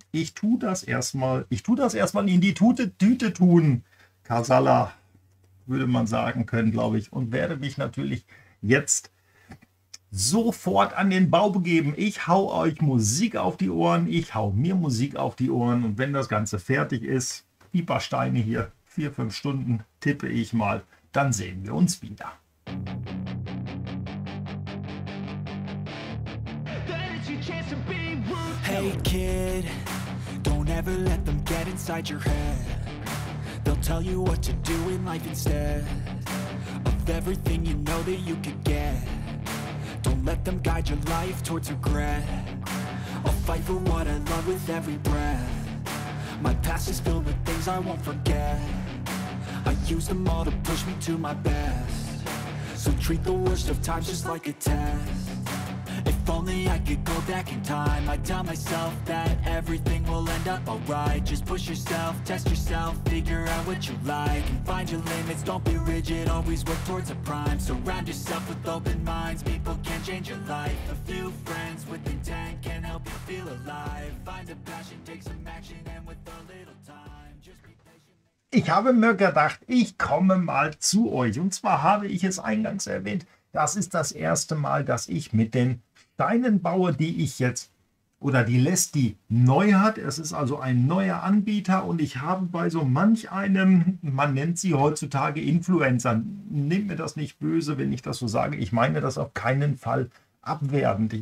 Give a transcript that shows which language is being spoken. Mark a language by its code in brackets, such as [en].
[de] Ich tue das erstmal in die Tüte tun, Kasala, würde man sagen können, glaube ich, und werde mich natürlich jetzt sofort an den Bau begeben. Ich hau euch Musik auf die Ohren, ich hau mir Musik auf die Ohren und wenn das Ganze fertig ist, die paar Steine hier, 4-5 Stunden, tippe ich mal, dann sehen wir uns wieder. [en] Hey Kid, don't ever let them get inside your head. They'll tell you what to do in life instead of everything you know that you could get. Don't let them guide your life towards regret. I'll fight for what I love with every breath. My past is filled with things I won't forget. I use them all to push me to my best. So treat the worst of times just like a test. If only I could go back in time, I'd tell myself that everything will end up alright. Just push yourself, test yourself, figure out what you like and find your limits, don't be rigid, always work towards a prime. Surround yourself with open minds, people can change your life. A few friends with intent can help you feel alive. Find a passion, take some action and with a little time. Just be patient. [de] Ich habe mir gedacht, ich komme mal zu euch. Und zwar habe ich es eingangs erwähnt. Das ist das erste Mal, dass ich mit den Steinen baue, die ich jetzt, oder die Lesti neu hat. Es ist also ein neuer Anbieter und ich habe bei so manch einem, man nennt sie heutzutage Influencer, nehmt mir das nicht böse, wenn ich das so sage, ich meine das auf keinen Fall abwertend.